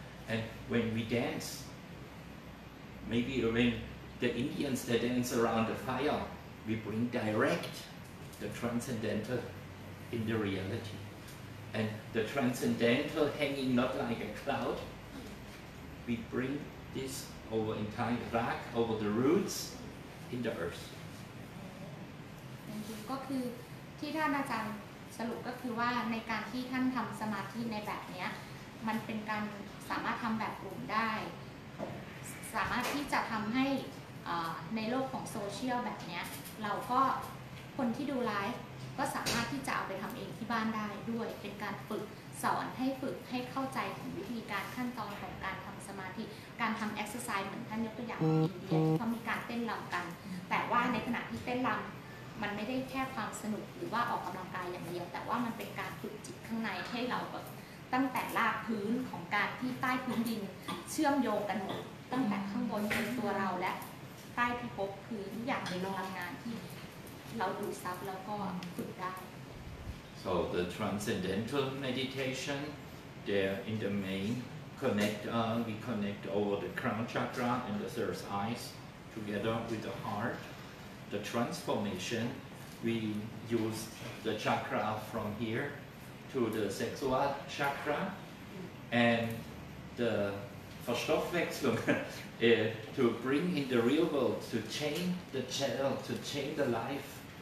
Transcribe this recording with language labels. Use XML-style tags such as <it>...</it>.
<en>And when we dance, maybe when the Indians that dance around the fire, we bring direct the transcendental in the reality. And the transcendental hanging not like a cloud, we bring this over in time back, over the roots in the earth.</en> <th>ก็คือที่ท่านอาจารย์สรุปก็คือว่าในการที่ท่านทำสมาธิในแบบนี้มันเป็นการสามารถทำแบบกลุ่มได้สามารถที่จะทำให้ในโลกของโซเชียลแบบนี้เราก็คนที่ดูไลฟ์ก็สามารถที่จะเอาไปทำเองที่บ้านได้ด้วยเป็นการฝึกสอนให้ฝึกให้เข้าใจถึงวิธีการขั้นตอนของการทำสมาธิการทำเอ็กซ์ไซส์เหมือนท่านยกตัวอย่างอินเดียเขามีการเต้นรำกันแต่ว่าในขณะที่เต้นรำ มันไม่ได้แค่ความสนุกหรือว่าออกกำลังกายอย่างเดียวแต่ว่ามันเป็นการฝึกจิตข้างในให้เราแบบตั้งแต่รากพื้นของการที่ใต้พื้นดินเชื่อมโยงกันหมดตั้งแต่ข้างบนคือตัวเราและใต้พิภพคือทุกอย่างในพลังงานที่เราดูซับแล้วก็ฝึกได้</th> <en>So the transcendental meditation there in the main connect we connect over the crown chakra and the third eyes together with the heartThe transformation, we use the chakra from here to the sexual chakra and the Verstoffwechselung to bring in the real world, to change the channel, to change the life.</en>